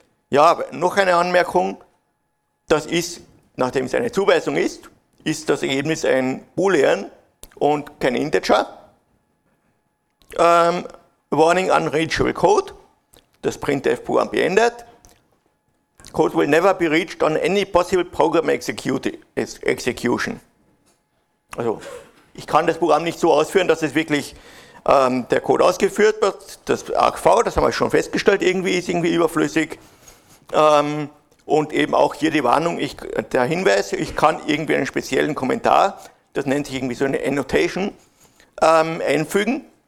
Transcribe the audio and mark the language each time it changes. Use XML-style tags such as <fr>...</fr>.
<de>Ja, noch eine Anmerkung, das ist, nachdem es eine Zuweisung ist, ist das Ergebnis ein Boolean und kein Integer.</de> <en>Warning unreachable code.</en> <de>Das Printf-Programm beendet.</de> <en>Code will never be reached on any possible program execution.</en> <de>Also, ich kann das Programm nicht so ausführen, dass es wirklich der Code ausgeführt wird. Das argv, das haben wir schon festgestellt, irgendwie ist irgendwie überflüssig. Und eben auch hier die Warnung, der Hinweis, ich kann irgendwie einen speziellen Kommentar, das nennt sich irgendwie so eine Annotation, einfügen.</de>